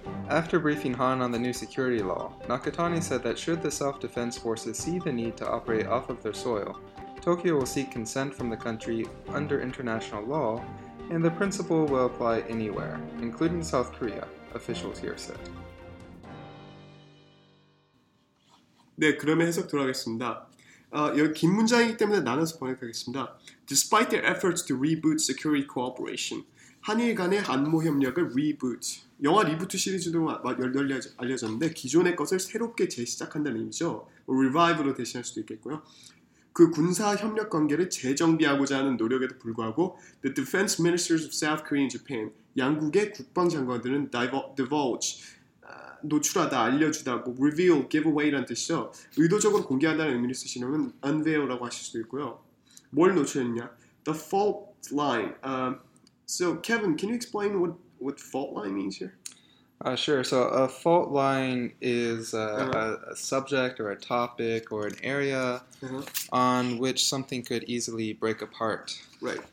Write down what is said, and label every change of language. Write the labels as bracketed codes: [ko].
[en] After briefing Han on the new security law, Nakatani said that should the self-defense forces see the need to operate off of their soil, Tokyo will seek consent from the country under international law, and the principle will apply anywhere, including South Korea, officials here said. [ko] 네, 그러면 해석 돌아가겠습니다. 여기 긴 문장이기 때문에 나눠서 번역하겠습니다. [en] Despite their efforts to reboot security cooperation, [ko] 한일 간의 안보협력을 [en] reboot. [ko] 영화 리부트 시리즈도 열렬히 알려졌는데 기존의 것을 새롭게 재시작한다는 의미죠. Revive로 대신할 수도 있겠고요. 그 군사협력 관계를 재정비하고자 하는 노력에도 불구하고 [en] The Defense Ministers of South Korea and Japan, [ko] 양국의 국방장관들은 divulge, 노출하다, 알려주다고 [en] reveal, give away [ko] 라는 뜻이죠. 의도적으로 공개한다는 의미를 쓰시려면 unveil라고 하실 수도 있고요. 뭘 노출했냐? The fault line. [en] So, Kevin, can you explain what fault line means here? Sure. So, a fault line is a subject or a topic or an area on which something could easily break apart. Right.